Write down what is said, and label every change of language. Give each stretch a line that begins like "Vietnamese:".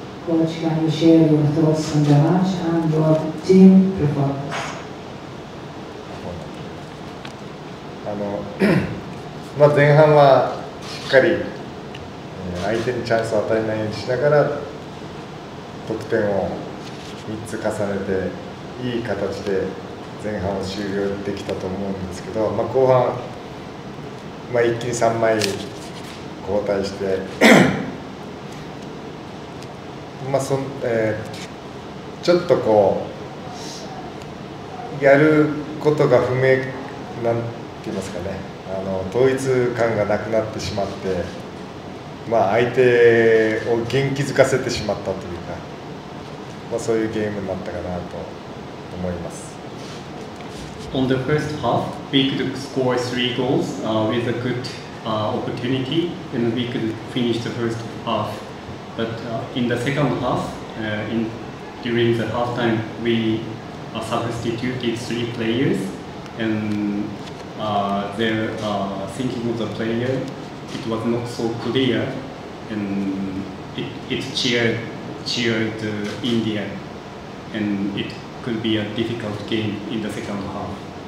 English: Coach, can you share your thoughts on the match and your team performance?
Japanese: まあ前半はしっかり相手にチャンスを与えないようにしながら得点を3つ重ねていい形で前半を終了できたと思うんですけど、まあ、後半、まあ、一気に3枚交代してまあちょっとこうやることが不明なんて言いますかね、統一感がなくなってしまって、まあ、相手を元気づかせてしまったというか、まあ、そういうゲームになったかなと思います。
English: On the first half, we could score three goals with a good opportunity and we could finish the first half. But in the second half, during the halftime, we substituted three players, and their thinking of the player, it was not so clear, and it cheered India, and it could be a difficult game in the second half.